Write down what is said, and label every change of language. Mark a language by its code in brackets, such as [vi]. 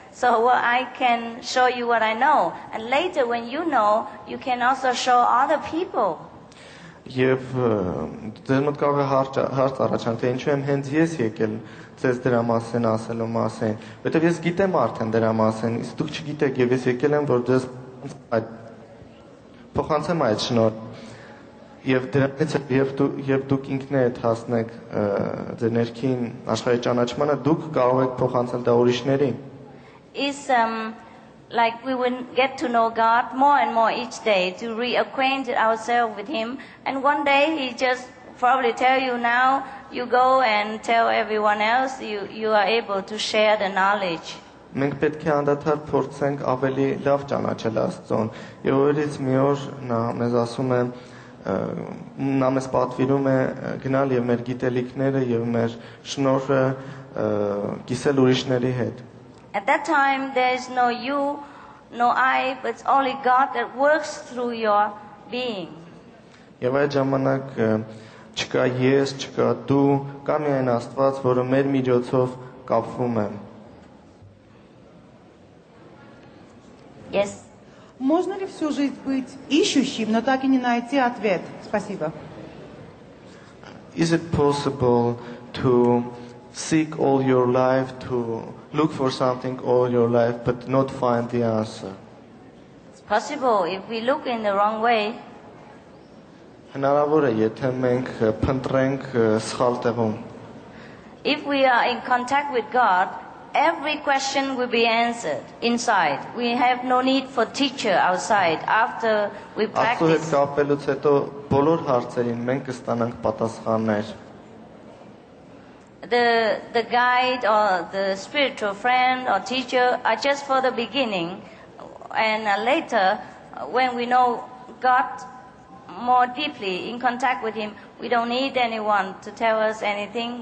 [en] So well, I can show you what I know, and later when you know, you can also show other people. [hy] Եվ դեռ մտ կարող է հարց առաջան, թե ինչու եմ հենց ես եկել ձեզ դրա մասին ասելու մասին, որտեղ ես գիտեմ արդեն դրա մասին, իսկ դուք չգիտեք, եւ ես եկել եմ, որ ձեզ այդ փոխանցեմ այդ շնորհ, եւ դրանից եւ դուք ինքներդ հասնեք ձեր ներքին աշխարհի ճանաչմանը, դուք կարող եք փոխանցել դա ուրիշներին։ [en] Is like we will get to know God more and more each day, to reacquaint ourselves with him, and one day he just probably tell you, now you go and tell everyone else, you are able to share the knowledge. [hy] Մենք պետք է անդադար փորձենք ավելի լավ ճանաչել Աստծուն, եւ օրից մի օր նա մեզ ասում է, նա մեզ պատվիրում է գնալ եւ մեր գիտելիքները եւ մեր շնորհը կիսել ուրիշների հետ։ [en] At that time, there is no you, no I, but it's only God that works through your being. [hy] Եվ այդ ժամանակ չկա ես, չկա դու, կա միայն Աստված, որը մեր միջոցով կապվում է։ [en] Yes. [ru] Можно ли всю жизнь быть ищущим, но так и не найти ответ? Спасибо. [en] Is it possible to seek all your life, to look for something all your life, but not find the answer? It's possible if we look in the wrong way. [hy] Հնարավոր է, եթե մենք փնտրենք սխալ տեղում. [en] If we are in contact with God, every question will be answered inside. We have no need for teacher outside. After we practice, [hy] Աստուհի հետ կապելուց հետո բոլոր հարցերին մենք կստանանք պատասխաններ. [en] The guide or the spiritual friend or teacher are just for the beginning, and later when we know God more deeply in contact with him, we don't need anyone to tell us anything.